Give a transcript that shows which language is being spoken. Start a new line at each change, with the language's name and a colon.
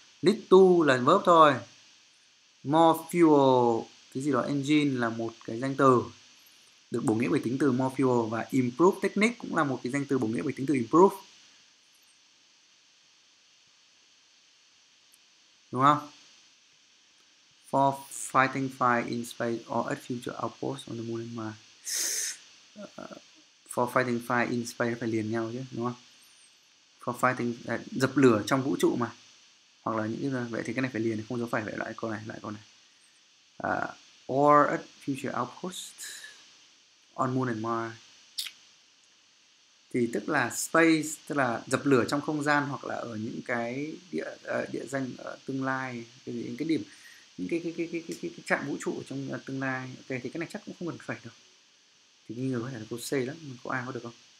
Vietnamese: Lead to là verb thôi. More fuel, cái gì đó engine là một cái danh từ được bổ nghĩa bởi tính từ more fuel, và
English: improve technique
Vietnamese: cũng là một cái danh từ bổ nghĩa bởi tính từ improve, đúng không?
English: For fighting fire in space or at future outposts on the moon and Mars. For fighting fire in space
Vietnamese: phải liền nhau chứ, đúng không?
English: For fighting
Vietnamese: dập lửa trong vũ trụ mà. Hoặc là những cái là, vậy thì cái này phải liền, không dấu phẩy, vậy lại câu này, lại câu này.
English: Or at future outpost on moon and Mars.
Vietnamese: Thì tức là space, tức là dập lửa trong không gian, hoặc là ở những cái địa danh ở tương lai, cái gì, những cái điểm, những cái trạm vũ trụ trong tương lai. Ok, thì cái này chắc cũng không cần phải đâu. Thì nghi ngờ có thể là câu C lắm, có ai có được không?